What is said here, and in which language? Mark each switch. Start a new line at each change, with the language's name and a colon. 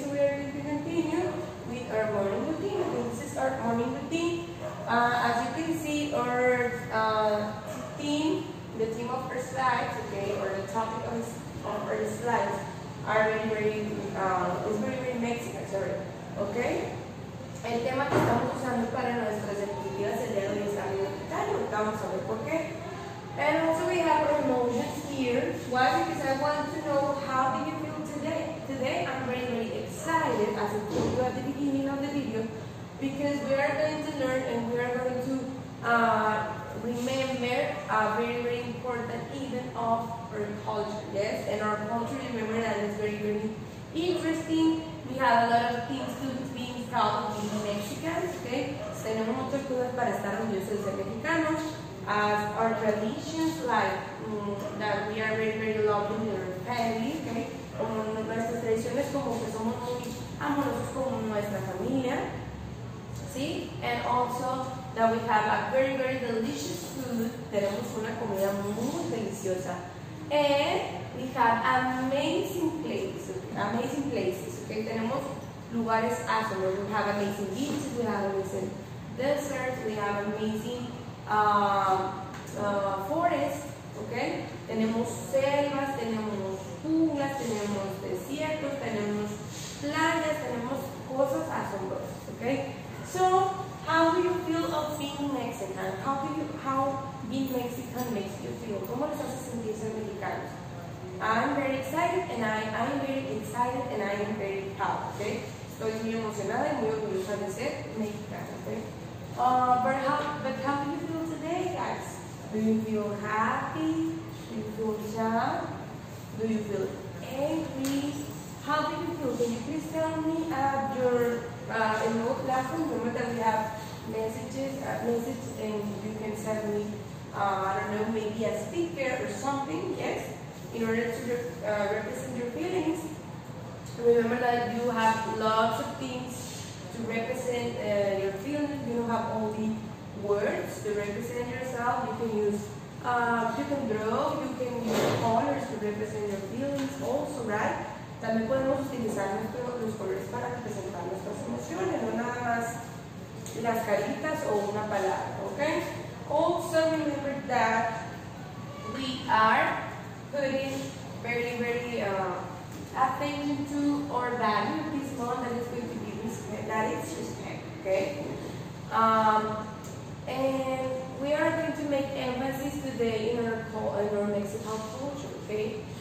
English: So we are going to continue with our morning routine. Okay, this is our morning routine. As you can see, our theme, the theme of our slides, okay, or the topic of our slides, are very, very, is very, very Mexican, sorry, okay?
Spanish: El tema que estamos usando para nuestras actividades el día de hoy es amigo italiano. Vamos a ver por qué.
English: And also we have our emotions here. Why? Because I want to know how do you feel today. Today I'm very, very excited, as I told you at the beginning of the video, because we are going to learn and we are going to remember a very, very important event of our culture. Yes, and our culture, remember that is very, very interesting. We have a lot of things to be proud of being Mexicans.
Spanish: Okay, tenemos muchas cosas para estar orgullosos de ser mexicanos.
English: As our traditions, like that we are very, very loving in our family, okay?
Spanish: Como nuestras tradiciones, como que somos muy amorosos con nuestra familia, ¿sí?
English: And also that we have a very, very delicious food.
Spanish: Tenemos una comida muy deliciosa.
English: And we have amazing places, okay? Amazing places, okay?
Spanish: Tenemos lugares
English: awesome. We have amazing beaches, we have amazing desserts, we have amazing forest, okay?
Spanish: Tenemos selvas, tenemos junglas, tenemos desiertos, tenemos playas, tenemos cosas asombrosas, okay?
English: So, how do you feel of being Mexican? How being Mexican makes you feel?
Spanish: ¿Cómo les hace sentir ser mexicanos?
English: I am very excited and I am very proud, okay?
Spanish: Estoy muy emocionada y muy orgullosa de ser mexicana, okay?
English: But how do you feel today, guys? Do you feel happy? Do you feel sad? Do you feel angry? How do you feel? Can you please tell me in your classroom, remember that we have messages and you can send me, maybe a speaker or something, yes? In order to represent your feelings. Remember that you have lots of things to represent your feelings. You don't have only words to represent yourself. You can use, you can draw, you can use colors to represent your feelings also, right?
Spanish: También podemos utilizar los colores para representar nuestras emociones, no nada más las caritas o una palabra, okay?
English: Also remember that we are putting very, very attention to our value this month, that is going to be respect, that is respect, okay? And we are going to make emphasis today in our Mexican culture, okay?